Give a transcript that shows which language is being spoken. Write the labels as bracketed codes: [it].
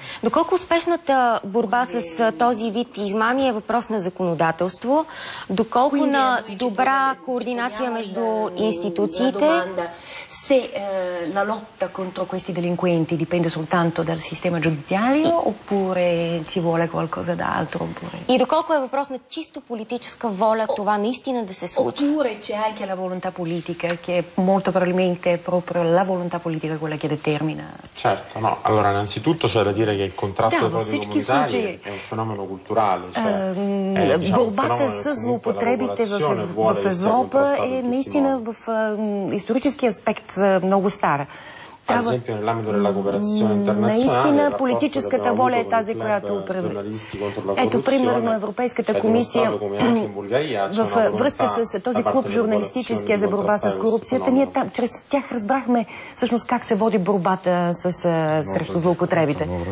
[bg] Доколко успешната борба с този вид измами е въпрос на законодателство, доколко на добра координация между институциите? [it] Se la lotta contro questi delinquenti dipende soltanto dal sistema giudiziario oppure ci vuole qualcosa d'altro? [bg] И доколко е въпрос на чисто политическа воля това наистина да се случи? [it] Oppure c'è anche la volontà politica, che molto probabilmente è proprio la volontà politica quella che determina. Certo, no. Allora, innanzitutto c'è da dire che il contrasto ai frodi comunitari è un fenomeno culturale. [bg] Борбата с злоупотребите в Европа е наистина в исторически аспект много стара. Наистина политическата воля е тази, която управи. Ето, примерно, Европейската комисия във връзка с този клуб журналистическия за борба с корупцията, ние там чрез тях разбрахме всъщност как се води борбата срещу злоупотребите.